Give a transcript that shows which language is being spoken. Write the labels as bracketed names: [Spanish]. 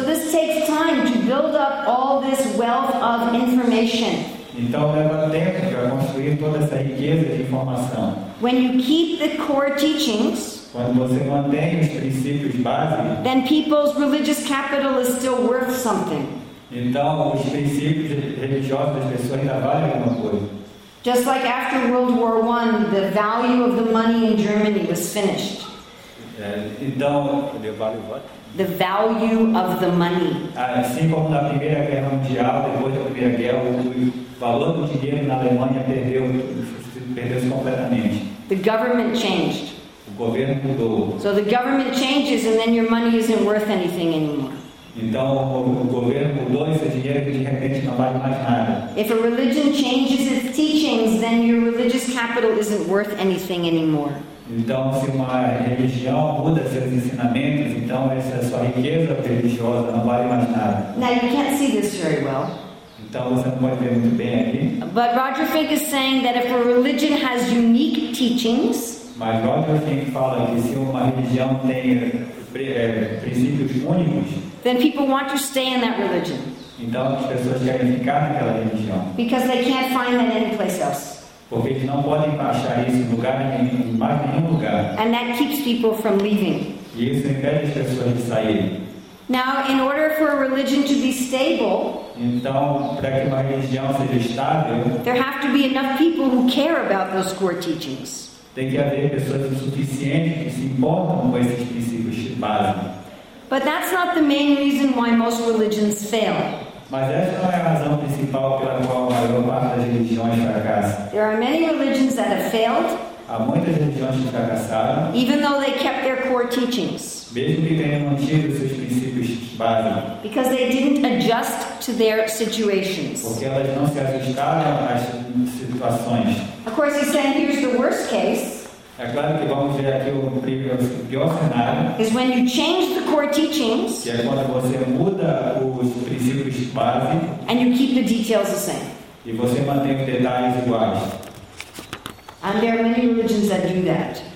[English] So this takes time to build up all this wealth of information. [Portuguese] Então leva tempo para construir toda essa riqueza de informação. [English] When you keep the core teachings, [Portuguese] quando você mantém os princípios básicos, [English] then people's religious capital is still worth something. [Portuguese] Então os princípios religiosos das pessoas ainda valem alguma coisa. [English] Just like after World War I, the value of the money in Germany was finished. [Portuguese] Então, [English] the value what? The value of the money. [Portuguese] Assim como na Primeira Guerra Mundial, depois da Primeira Guerra, o valor do dinheiro na Alemanha perdeu-se completamente. [English] The government changed. [Portuguese] O governo mudou. [English] So the government changes and then your money isn't worth anything anymore. [Portuguese] Então o governo mudou esse dinheiro que de repente não vale mais nada. [English] If a religion changes its teachings, then your religious capital isn't worth anything anymore. [Portuguese] Então se uma religião muda seus ensinamentos, então essa sua riqueza religiosa não vale mais nada. [English] Now you can't see this very well. [Portuguese] Então você não pode ver muito bem aqui. [English] But Roger Fink is saying that if a religion has unique teachings, [Portuguese] mas Roger Fink fala que se uma religião tem princípios únicos, [English] then people want to stay in that religion. [Portuguese] Então as pessoas querem ficar naquela religião. [English] Because they can't find that anyplace else. [Portuguese] Porque eles não podem achar isso em lugar nenhum, mais nenhum lugar. [English] And that keeps people from leaving. [Portuguese] E isso impede as pessoas de sair. [English] Now, in order for a religion to be stable, [Portuguese] então, para que uma religião seja estável, [English] there have to be enough people who care about those core teachings. [Portuguese] Tem que haver pessoas suficientes que se importam com esses princípios básicos. [English] But that's not the main reason why most religions fail. [Portuguese] Mas essa não é a razão principal pela qual a maior parte das religiões fracassa. [English] There are many religions that have failed. [Portuguese] Há muitas religiões que fracassaram. [English] Even though they kept their core teachings. [Portuguese] Mesmo que tenham mantido seus princípios básicos. [English] Because they didn't adjust to their situations. [Portuguese] Porque elas não se ajustaram às situações. [English] Of course, he's saying here's the worst case. [Portuguese] É claro que vamos ver aqui o pior cenário. [English] Is when you change the core teachings. [Portuguese] Que é quando você muda os princípios básicos. [English] And you keep the details the same. [Portuguese] E você mantém os detalhes iguais. [English] And there are many religions that do that.